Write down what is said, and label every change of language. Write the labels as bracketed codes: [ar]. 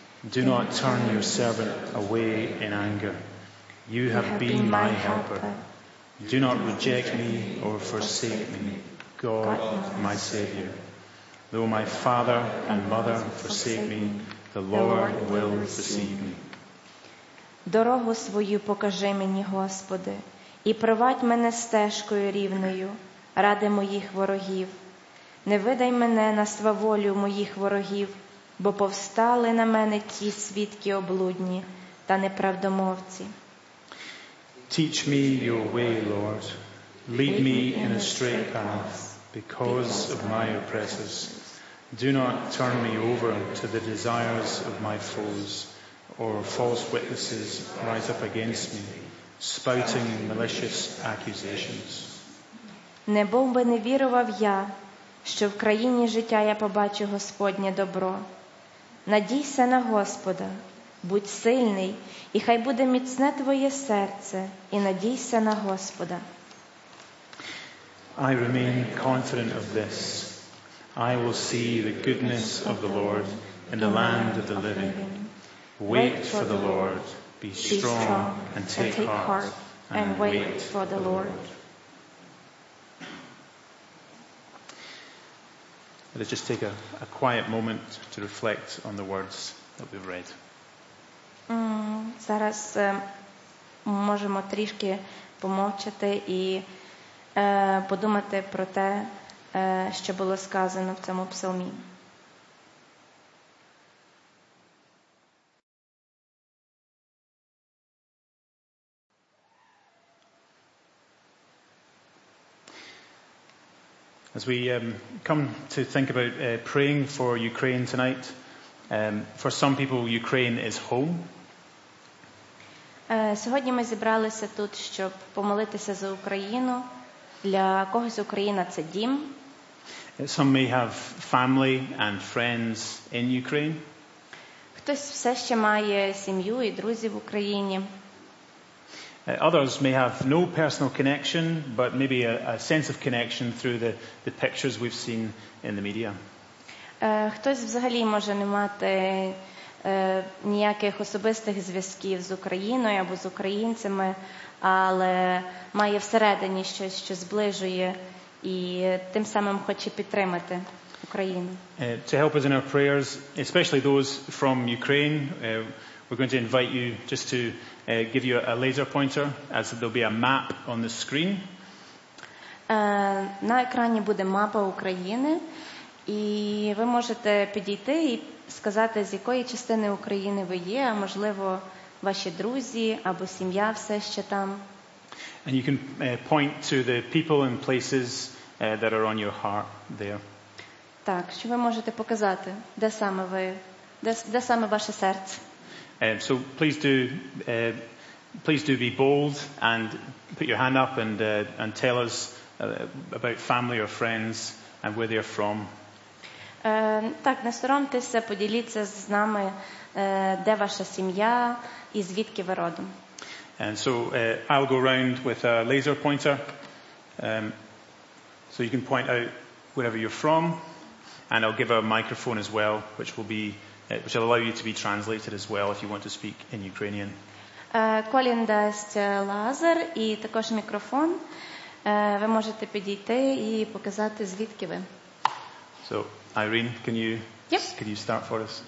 [en] Do not turn your servant away in anger. You have been my helper. Do not reject me or forsake me, God, my Savior. Though my father and mother forsake me, the Lord will receive me. [uk] Дорогу свою покажи мені, Господи, і провадь мене стежкою рівною ради моїх ворогів. Не видай мене на сваволю моїх ворогів, бо повстали на мене ті свідки облудні та неправдомовці. [en] Teach me your way, Lord. Lead me in a straight path because of my oppressors. Do not turn me over to the desires of my foes, or false witnesses rise up against me, spouting malicious accusations. [uk] Не був би не вірував я, що в країні життя я побачу Господнє добро. Надійся на Господа, будь сильний, і хай буде міцне твоє серце, і надійся на Господа. [en] I remain confident of this. I will see the goodness of the Lord in the land of the living. Wait for the Lord, be strong and take heart, and wait for the Lord. Let's just take a quiet moment to reflect on the words that we've read. [uk] Зараз можемо трішки помовчати і подумати про те, що було сказано в цьому псалмі. [en] As we come to think about praying for Ukraine tonight, for some people Ukraine is home. [uk] Сьогодні ми зібралися тут, щоб помолитися за Україну. Для когось Україна – це дім. [en] Some may have family and friends in Ukraine. [uk] Хтось все ще має сім'ю і друзів в Україні. [en] Others may have no personal connection, but maybe a sense of connection through the pictures we've seen in the media. [uk] Хтось взагалі може не мати ніяких особистих зв'язків з Україною або з українцями, але має всередині щось, що зближує і тим самим хоче підтримати Україну. [en] To help us in our prayers, especially those from Ukraine, we're going to invite you just to give you a laser pointer, as there'll be a map on the screen. [uk] На екрані буде мапа України, і ви можете підійти і сказати, з якої частини України ви є, а можливо, ваші друзі або сім'я все ще там. [en] And you can point to the people and places that are on your heart there. [uk] Так, що ви можете показати, де саме ви, де саме ваше серце. [en] So please do be bold and put your hand up and tell us about family or friends and where they're from. [uk] Так, не соромтеся, поділіться з нами, де ваша сім'я і звідки ви родом. [en] And so I'll go around with a laser pointer. So you can point out wherever you're from, and I'll give a microphone as well, which will allow you to be translated as well if you want to speak in Ukrainian. [uk] Колін дасть лазер і також мікрофон. Ви можете підійти і показати, звідки ви. [en] So, Irene, can you can you start for us?